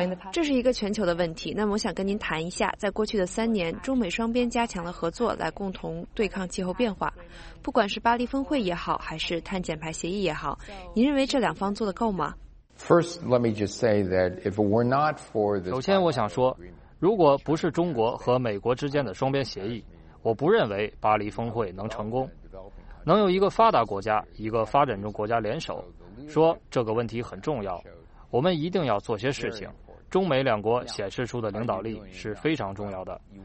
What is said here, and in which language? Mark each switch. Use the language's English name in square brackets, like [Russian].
[Chinese] 这是一个全球的问题。那么我想跟您谈一下，在过去的3年，中美双边加强了合作，来共同对抗气候变化。不管是巴黎峰会也好，还是碳减排协议也好，您认为这两方做得够吗？ [English] First, let me just say that if it were not for the. [Chinese] 首先，我想说，如果不是中国和美国之间的双边协议，我不认为巴黎峰会能成功。能有一个发达国家、一个发展中国家联手，说这个问题很重要，我们一定要做些事情。中美两国显示出的领导力是非常重要的。